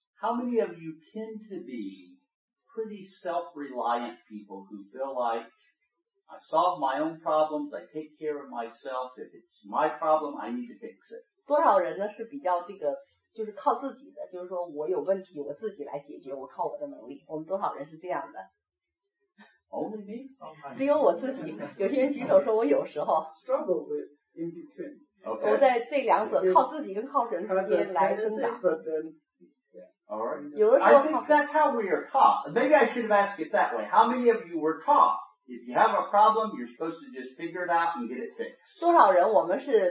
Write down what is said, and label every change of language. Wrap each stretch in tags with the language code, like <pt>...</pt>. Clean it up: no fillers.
<en>How many of you tend to be pretty self-reliant people who feel like I solve my own problems, I take care of myself, if it's my problem, I need to fix it.</en> <zh>多少人呢是比较这个，就是靠自己的，就是说我有问题我自己来解决，我靠我的能力。我们多少人是这样的？</zh> <en>Only me?</en> <zh>只有我自己，有些人举手说我有时候。</zh> <en>struggle with in between. Okay.</en> <zh>我在这两者靠自己跟靠神之间来挣扎。</zh> <en>Alright. I think that's how we are taught. Maybe I should have asked it that way. How many of you were taught? If you have a problem, you're supposed to just figure it out and get it fixed.</en>